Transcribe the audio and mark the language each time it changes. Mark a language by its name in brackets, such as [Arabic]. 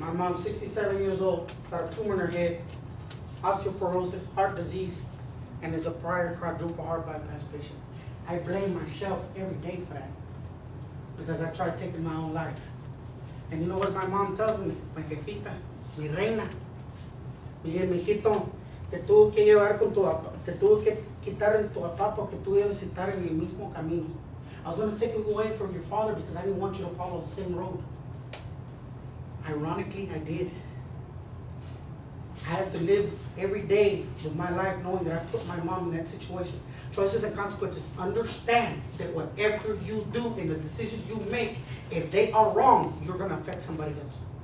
[English] My mom, 67 years old, got a tumor in her head, osteoporosis, heart disease, and is a prior quadruple heart bypass patient. I blame myself every day for that because I tried taking my own life. And you know what my mom tells me? My jefita, [Spanish] mi reina. Mi dije, mijito, te tuvo que llevar con tu papá, te tuvo que quitar de tu papá porque tú debes estar en el mismo camino. [English] I was going to take you away from your father because I didn't want you to follow the same road. Ironically, I did. I have to live every day of my life knowing that I put my mom in that situation. Choices and consequences. Understand that whatever you do and the decisions you make, if they are wrong, you're going to affect somebody else.